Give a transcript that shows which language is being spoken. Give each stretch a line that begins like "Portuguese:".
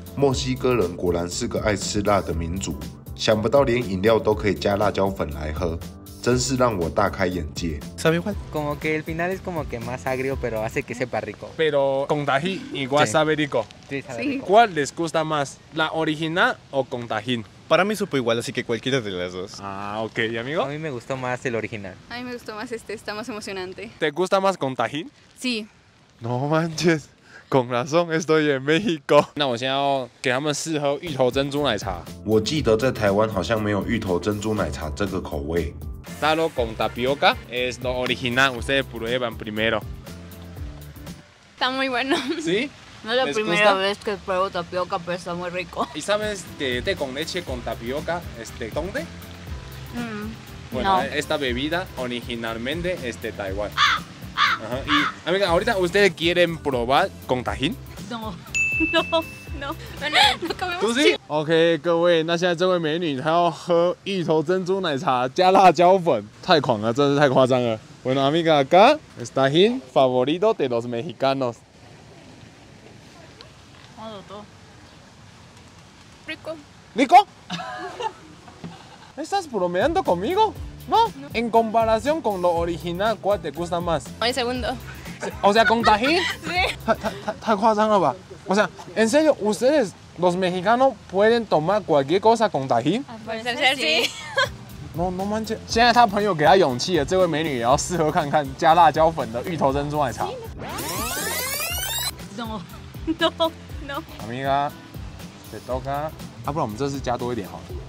Chinese: 墨西哥人果然是个爱吃辣的民族，想不到连饮料都可以加辣椒粉来喝，真是让我大开眼界。
Spanish: ¿Sabe igual? Como que el final es como que más agrio, pero hace que sepa rico. Pero con tajín igual sabe rico. Sí. ¿Cuál les gusta más, la original o con tajín? Para mí supo igual, así que cualquiera de las dos. Ah, ok. ¿Y amigo? A mí me gustó más el original. A mí me gustó más este, está más emocionante. ¿Te gusta más con tajín? Sí. No manches. Con razón estoy en México.
Chinese: 那我现在要给他们试喝芋头珍珠奶茶。我记得在台湾好像没有芋头珍珠奶茶这个口味。
Spanish: Solo con tapioca es lo original. Ustedes prueban primero. Está muy bueno. Sí. No es la primera vez que pruebo tapioca, pero está muy rico. ¿Y sabes que té con leche con tapioca es de dónde? Bueno, esta bebida originalmente es de Taiwán. Ajá. Y amiga, ahorita ustedes quieren probar con tajín? No. ¿Tú sí?
Chinese: Ok, 各位，那现在这位美女她要喝芋头珍珠奶茶加辣椒粉，太狂了，真是太夸张了。
Spanish: Bueno, amiga, acá es tajín favorito de los mexicanos. Rico. ¿Rico? ¿Estás bromeando conmigo? ¿No? No. En comparación con lo original, ¿cuál te gusta más? El segundo. O sea, ¿con tajín? Sí. Está cuajando, ¿va? O sea, en serio, ¿ustedes, los mexicanos, pueden tomar cualquier cosa con tajín? Puede ser, sí. No, no manches.
Chinese: 现在他朋友给他勇气了，这位美女也要试喝看看加辣椒粉的芋头珍珠奶茶。
Spanish: No. Amiga, te toca.
Chinese: 不然我们这次加多一点好了。